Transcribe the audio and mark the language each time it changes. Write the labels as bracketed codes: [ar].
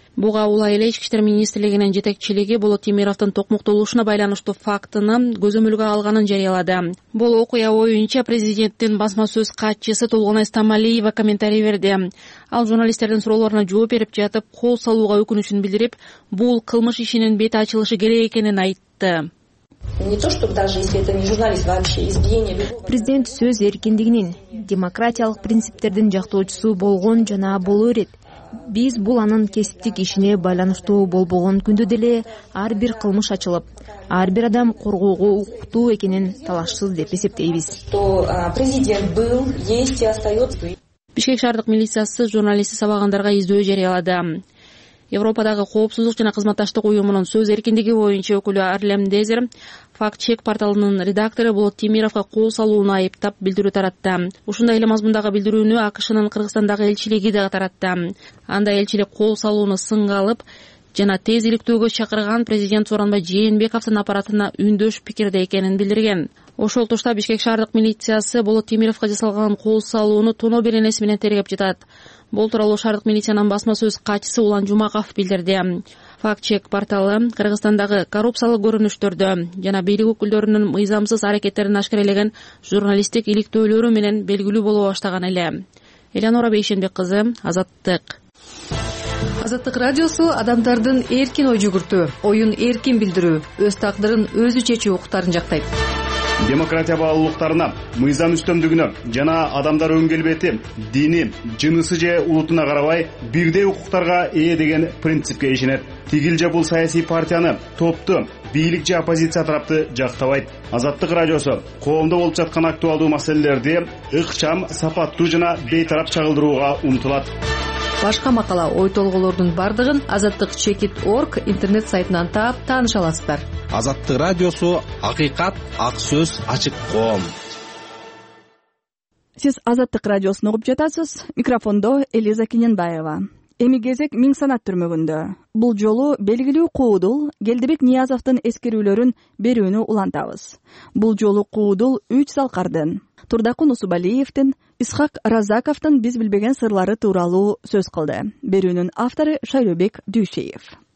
[ky] Буга улай эле ички иштер министрлигинин жетекчилиги Болот Темировдун токмоктолушуна байланыштуу фактыны көзөмөлгө алганын жарыялады. Бул окуя боюнча президенттин басма сөз катчысы Толгонай Стамалиева комментарий берди. Ал журналисттердин суроолоруна жооп берип жатып, кол салууга өкүнүчүн билдирип, бул кылмыш ишинин бети ачылышы керек экенин айтты. [ru] Не то, чтобы даже если это не журналист, вообще избиение. [ky] Президент сөз эркиндигинин, демократиялык принциптердин жактоочусу болгон жана болуу керек. Биз бул анын кесиптик ишине байланыштуу болбогон күндө деле ар бир кылмыш ачылып, ар бир адам коргоого укуктуу экенин талашсыз деп эсептейбиз. [ru] Что президент был, есть и остается. [ky] Бишкек шаардык милициясы журналисти сабагандарга издөө жарыялады. Европадагы коопсуздук жана кызматташтык уюмунун сөз эркиндиги боюнча өкүлү Арлем Дезер факт чек порталынын редактору Болот Темировго кол салууну айыптап билдирүү таратты. Ушундай эле мазмундагы билдирүүнү АКШнын Кыргызстандагы элчилиги да таратты. Анда элчилик кол салууну сынга алып жана тез иликтөөгө чакырган президент Сооронбай Жээнбековдун аппаратына үндөш пикирде экенин билдирген. Ошол тушта Бишкек шаардык милициясы Болот Темировго жасалган кол салууну тоно беренеси менен тергеп жатат. Бул тууралуу шаардык милициянын басма сөз катчысы Улан Жумаков билдирди. Фактчек порталы Кыргызстандагы коррупциялык көрүнүштөрдө жана бийлик өкүлдөрүнүн мыйзамсыз аракеттерин ашкерелеген журналисттик иликтөөлөрү менен белгилүү боло баштаган эле. Эленора Бейшенбек кызы, Азаттык. Азаттык радиосу адамдардын эркин ой жүгүртүү, оюн эркин билдирүү, өз тагдырын өзү чечүү укуктарын жактайт. Демократия баалуулуктарына, мыйзам үстөмдүгүнө жана адамдар өң келбети, дини, жынысы же улутуна карабай бирдей укуктарга ээ деген принципке ишенет. Тигил же бул саясий партияны, топту, бийлик же оппозиция тарапты жактабайт. Азаттык радиосу коомдо болуп жаткан актуалдуу маселелерди ыкчам, сапаттуу жана бейтарап чагылдырууга умтулат. Башка макала, ой толгоолордун бардыгын азаттык чекит орг интернет сайтынан таап тааныша аласыздар. Азаттык радиосу акыйкат, ак сөз, ачык коом. Сиз Азаттык радиосун угуп жатасыз. Микрофондо Элиза Кененбаева. Эми кезек миң санат түрмөгүндө. Бул жолу белгилүү куудул Келдибек Ниязовдун эскерүүлөрүн берүүнү улантабыз. Бул жолу куудул үч залкардын, Турдакун Усубалиевдин, Исхак Разаковдун биз билбеген сырлары тууралуу сөз кылды. Берүүнүн автору Шайлобек Дүйшеев.